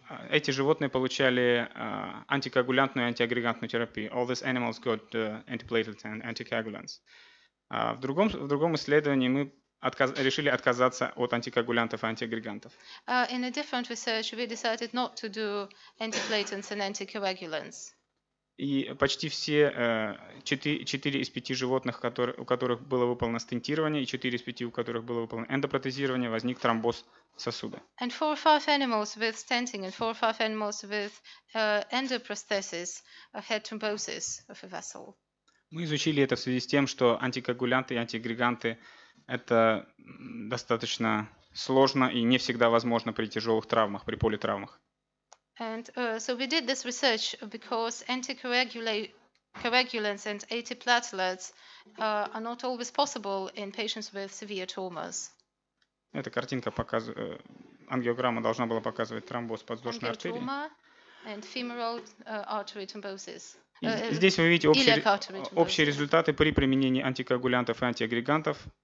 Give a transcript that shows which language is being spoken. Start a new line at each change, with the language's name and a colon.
Russian: Эти животные получали антикоагулянтную и антиагрегатную терапию.
English: All these animals got antiplatelets and anticoagulants.
Russian: В другом исследовании мы решили отказаться от антикоагулянтов и антиагрегантов.
English: In a different research, we decided not to do antiplatelets and anticoagulants.
Russian: И почти все 4 из 5 животных, у которых было выполнено стентирование, и 4 из 5, у которых было выполнено эндопротезирование, возник тромбоз сосуда.
English: And 4 or 5 animals with stenting and 4 or 5 animals with endoprosthesis had thrombosis of a vessel.
Russian: Мы изучили это в связи с тем, что антикоагулянты и антиагреганты — это достаточно сложно и не всегда возможно при тяжелых травмах, при политравмах.
English: And so we did this research because anticoagulants and antiplatelets are not always possible in patients with severe traumas.
Russian: Эта картинка показывает, ангиограмма должна была показывать тромбоз подвздошной артерии.
English: Angioma and femoral artery thrombosis.
Russian: Здесь вы видите общие результаты при применении антикоагулянтов и антиагрегантов.